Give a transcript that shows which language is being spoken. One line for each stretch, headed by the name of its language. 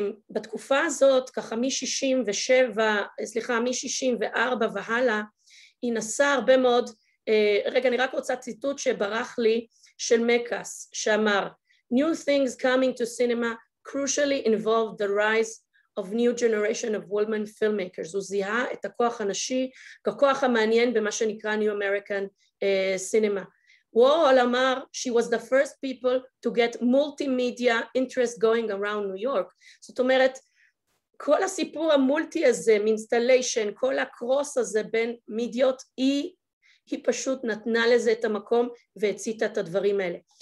Hebrew: בתקופה הזאת, ככה מ-64 והלאה, היא נסעה הרבה מאוד, רגע, אני רק רוצה ציטוט שברח לי של מקס, שאמר,
English: "New things coming to cinema crucially involve the rise of new generation of woman filmmakers."
Hebrew: הוא זיהה את הכוח הנשי, ככוח המעניין במה שנקרא New American cinema. וורול אמר,
English: "She was the first people to get multimedia interest going around New York."
Hebrew: זאת אומרת, כל הסיפור המולטי הזה, מינסטליישן, כל הקרוס הזה בין מידיות, היא פשוט נתנה לזה את המקום והציתה את הדברים האלה.